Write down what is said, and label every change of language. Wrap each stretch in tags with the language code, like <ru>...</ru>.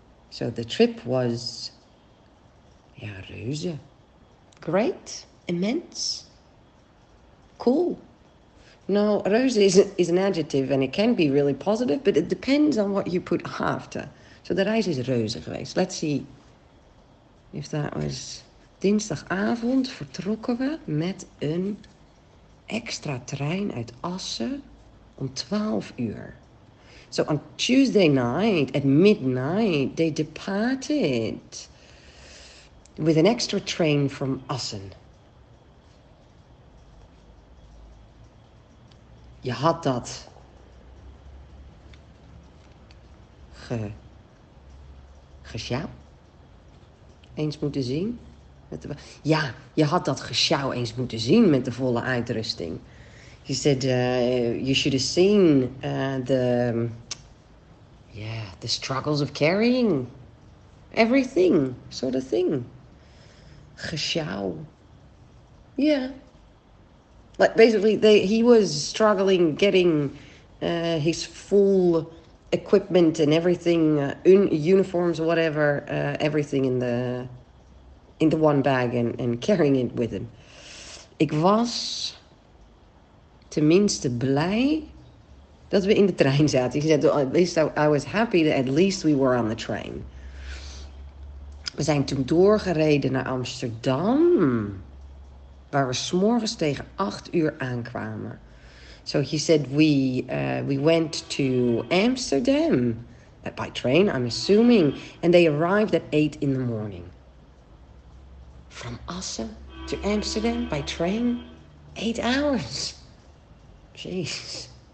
<en>So the trip was, yeah, reuze, great, immense, cool. No, reuze is an adjective and it can be really positive, but it depends on what you put after. So the</en> <nl>reis is reuze geweest.</nl> <en>Let's see if that was</en> <nl>dinsdagavond vertrokken we met een extra trein uit Assen om 12 uur.</nl> <en>So on Tuesday night at midnight, they departed with an extra train from Assen.</en> <nl>Je had dat gesjouw eens moeten zien. Ja, je had dat gesjouw eens moeten zien met de volle uitrusting.</nl> <en>He said, you should have seen the struggles of carrying everything, sort of thing. Gesjouw. Yeah. Like basically, he was struggling getting his full equipment and everything, uniforms or whatever, everything in the one bag and carrying it with him.</en> <nl>Ik was tenminste blij dat we in de trein zaten.</nl> <en>He said, at least I was happy that at least we were on the train.</en> <nl>We zijn toen doorgereden naar Amsterdam, waar we 's morgens tegen 8 uur aankwamen.</nl> <en>So he said we went to Amsterdam by train, I'm assuming, and they arrived at 8 in the morning. From Assen to Amsterdam by train, 8 hours. Jeez.</en>